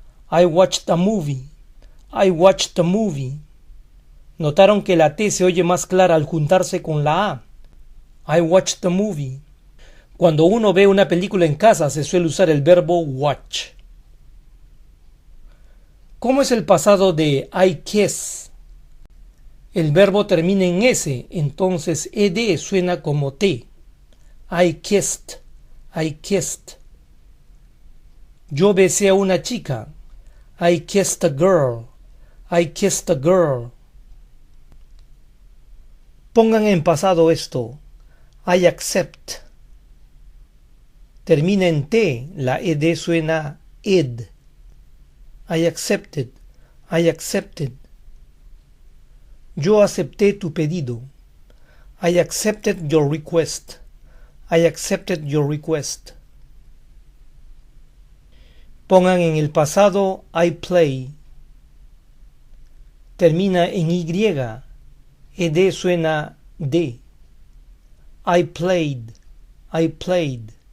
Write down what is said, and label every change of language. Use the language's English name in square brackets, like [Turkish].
[English] I watched a movie, I watched a movie. [Spanish] ¿Notaron que la t se oye más clara al juntarse con la a? [English] I watched a movie. [Spanish] Cuando uno ve una película en casa se suele usar el verbo watch. ¿Cómo es el pasado de I kiss? El verbo termina en S, entonces ED suena como T. [English] I kissed, I kissed. [Spanish] Yo besé a una chica. [English] I kissed a girl, I kissed a girl. [Spanish] Pongan en pasado esto. [English] I accept. [Spanish] Termina en T, la ED suena ED. [English] I accepted, I accepted. [Spanish] Yo acepté tu pedido. [English] I accepted your request, I accepted your request. [Spanish] Pongan en el pasado, [English] I play. [Spanish] Termina en Y, ED suena D. [English] I played, I played.